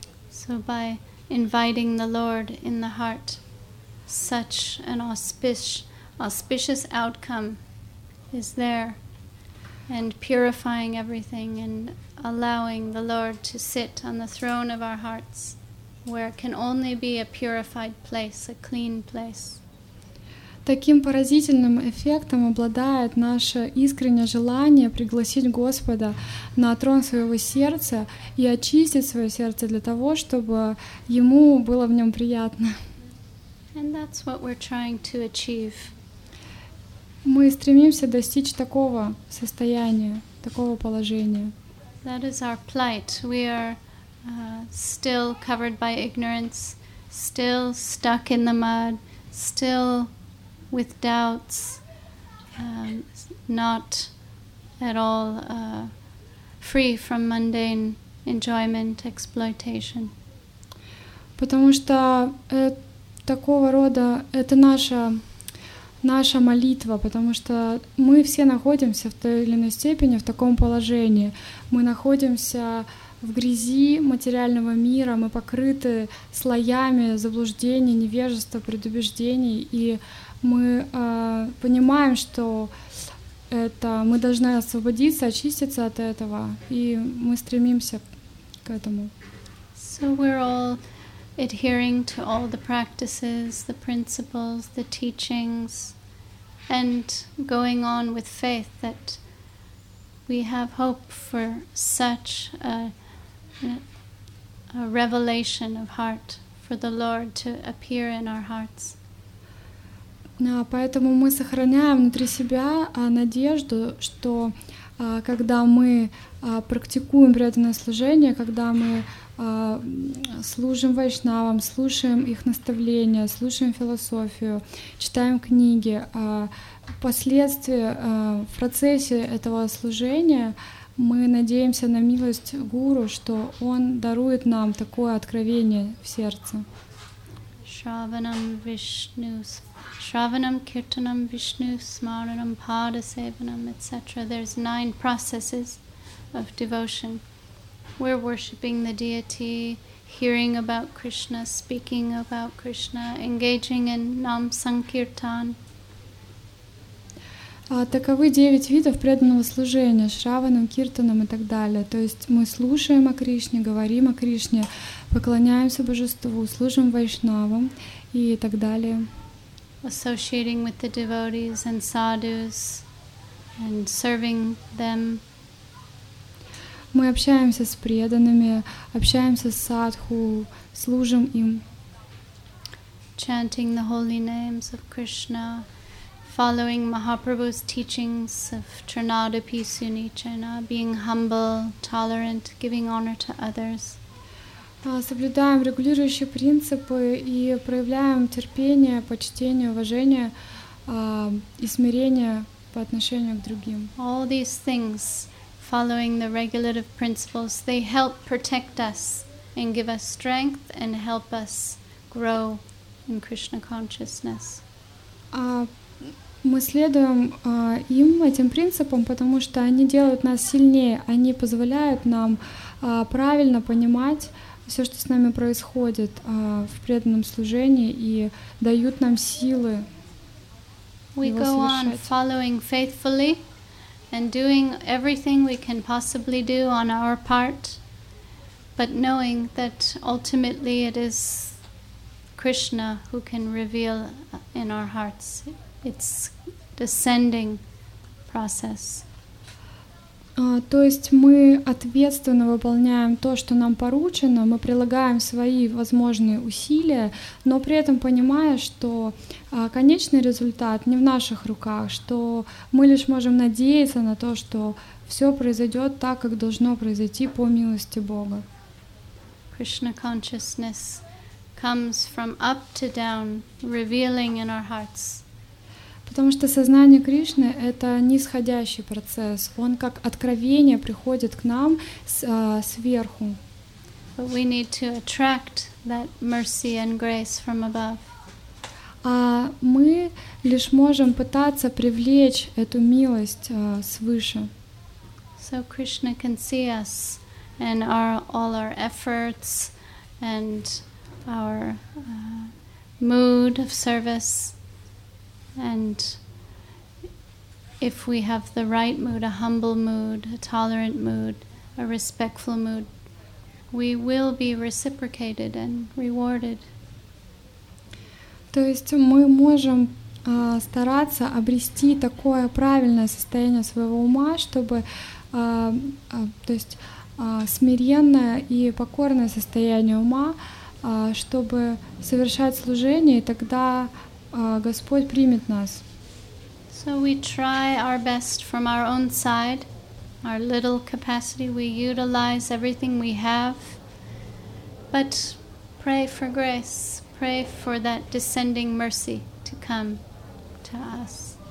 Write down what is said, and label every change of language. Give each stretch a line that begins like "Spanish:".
English: So by inviting the Lord in the heart, such an auspicious outcome is there, and purifying everything and allowing the Lord to sit on the throne of our hearts, where it can only be a purified place, a clean place.
Russian: Таким поразительным эффектом обладает наше искреннее желание пригласить Господа на трон своего сердца и очистить свое сердце для того, чтобы ему было в нем приятно.
English: And that's what we're trying to achieve.
Russian: Мы стремимся достичь такого состояния. такого положения.
English: That is our plight. We are still covered by ignorance, still stuck in the mud, still with doubts, not at all free from mundane enjoyment, exploitation.
Russian: Потому что такого рода это наша молитва, потому что мы все находимся в той или иной степени в таком положении. Мы находимся в грязи материального мира, мы покрыты слоями заблуждений, невежества, предубеждений, и мы понимаем, что это мы должны освободиться, очиститься от этого, и мы стремимся к этому.
English: So we're all adhering to all the practices, the principles, the teachings, and going on with faith that we have hope for such a revelation of heart, for the Lord to appear in our hearts.
Russian: Поэтому мы сохраняем внутри себя надежду, что когда мы практикуем преданное служение, когда мы служим вайшнавам, слушаем их наставления, слушаем философию, читаем книги, впоследствии, в процессе этого служения мы надеемся на милость гуру, что он дарует нам такое откровение в сердце.
Sanskrit: Shravanam Vishnu, Shravanam Kirtanam Vishnu, Smaranam Padasevanam, etc.
English: There's 9 processes of devotion. We're worshipping the deity, hearing about Krishna, speaking about Krishna, engaging in Nam Sankirtan.
Russian: Таковы 9 видов преданного служения, Шраванам, Киртанам и так далее. То есть мы слушаем о Кришне, говорим о Кришне, поклоняемся Божеству, служим Вайшнавам и так далее.
English: Associating with the devotees and sadhus and serving them.
Russian: Мы общаемся с преданными, общаемся с садху, служим им.
English: Chanting the holy names of Krishna. Following Mahaprabhu's teachings of Trinadapi Sunichana, being humble, tolerant, giving honor to others.
Russian: Соблюдаем регулирующие принципы и проявляем терпение, почтение, уважение и смирение по отношению к другим.
English: All these things, following the regulative principles, they help protect us and give us strength and help us grow in Krishna consciousness.
Russian: Мы следуем им, этим принципам, потому что они делают нас сильнее, они позволяют нам правильно понимать все, что с нами происходит в преданном служении, и дают нам силы We его go совершать.
English: On following faithfully and doing everything we can possibly do on our part, but knowing that ultimately it is Krishna who can reveal in our hearts. It's descending process.
Russian: То есть мы ответственно выполняем то, что нам поручено, мы прилагаем свои возможные усилия, но при этом понимая, что конечный результат не в наших руках, что мы лишь можем надеяться на то, что все произойдет так, как должно произойти по милости Бога.
English: Krishna consciousness comes from up to down, revealing in our hearts.
Russian: Потому что сознание Кришны — это нисходящий процесс. Он как откровение приходит к нам сверху.
English: But we need to attract that mercy and grace from above.
Russian: А мы лишь можем пытаться привлечь эту милость свыше.
English: So Krishna can see us and all our efforts and our mood of service. And if we have the right mood, a humble mood, a tolerant mood, a respectful mood, we will be reciprocated and rewarded.
Russian: То есть мы можем стараться обрести такое правильное состояние своего ума, чтобы, то есть смиренное и покорное состояние ума, чтобы совершать служение, и тогда Господь примет нас.
English: So we try our best from our own side. our little capacity, we utilize everything we have, but pray for grace, pray for that descending mercy to come to us.